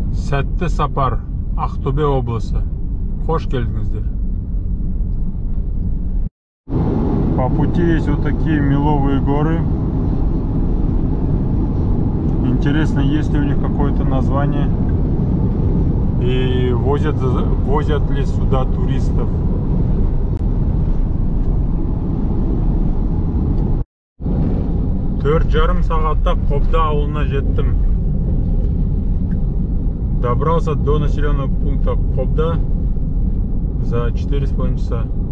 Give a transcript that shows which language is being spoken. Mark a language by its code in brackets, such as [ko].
[kk] Сәтті сапар, Ақтөбе облысы. Хош келдіңіздер. [ru] По пути есть вот такие меловые горы. Интересно, есть ли у них какое-то название. И возят ли сюда туристов. [kk] Төрт жарым сағатта Қобда ауылына жеттім. [ru] Добрался до населенного пункта Қобда за 4,5 часа.